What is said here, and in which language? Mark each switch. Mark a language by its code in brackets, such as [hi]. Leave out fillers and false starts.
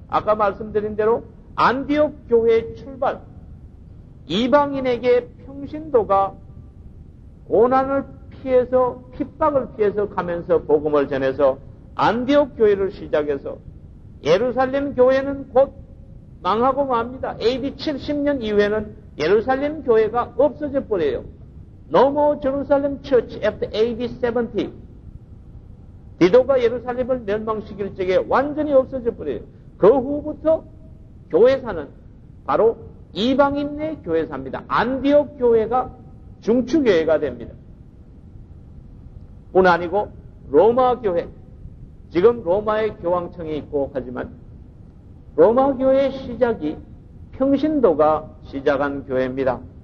[ko] 아까 말씀드린 대로 안디옥 교회의 출발, 이방인에게 평신도가 고난을 피해서 핍박을 피해서 가면서 복음을 전해서 안디옥 교회를 시작해서 예루살렘 교회는 곧 망하고 맙니다. AD 70년 이후에는 예루살렘 교회가 없어져 버려요. [en] No Jerusalem Church after AD 70. [ko] 디도가 예루살렘을 멸망시킬 적에 완전히 없어져 버려요. 그 후부터 교회사는 바로 이방인의 교회사입니다. 안디옥 교회가 중추교회가 됩니다. 뿐 아니고 로마 교회, 지금 로마의 교황청이 있고 하지만 로마 교회의 시작이 평신도가 시작한 교회입니다.